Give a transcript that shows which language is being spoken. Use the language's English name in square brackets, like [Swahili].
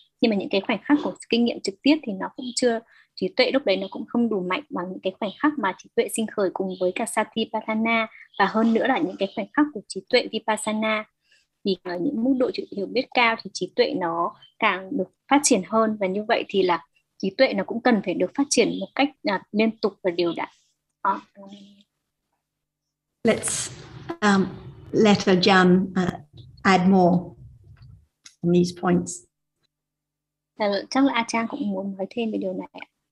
[Vietnamese] Nhưng mà những cái khoảnh khắc của kinh nghiệm trực tiếp thì nó cũng chưa, trí tuệ lúc đấy nó cũng không đủ mạnh bằng những cái khoảnh khắc mà trí tuệ sinh khởi cùng với cả Satipatthana, và hơn nữa là những cái khoảnh khắc của trí tuệ Vipassana. Vì ở những mức độ hiểu biết cao thì trí tuệ nó càng được phát triển hơn, và như vậy thì là trí tuệ nó cũng cần phải được phát triển một cách liên tục và đều đặn. [English] Let's let Jan add more on these points. [Vietnamese] Chắc là A Trang cũng muốn nói thêm về điều này.